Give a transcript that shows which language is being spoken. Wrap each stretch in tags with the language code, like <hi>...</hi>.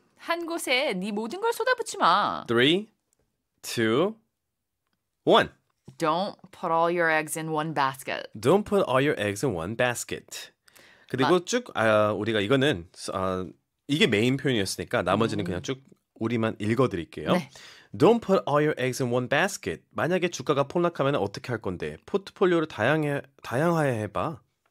<ko>한 곳에 네 모든 걸 쏟아붓지 마. 3, 2, 1.</ko> <en>Don't put all your eggs in one basket. Don't put all your eggs in one basket.</en> <ko>그리고 쭉 우리가 이거는 이게 메인 표현이었으니까 나머지는 그냥 쭉 우리만 읽어드릴게요. 네.</ko> <en>Don't put all your eggs in one basket.</en> <ko>만약에 주가가 폭락하면 어떻게 할 건데? 포트폴리오를 다양화해봐.</ko>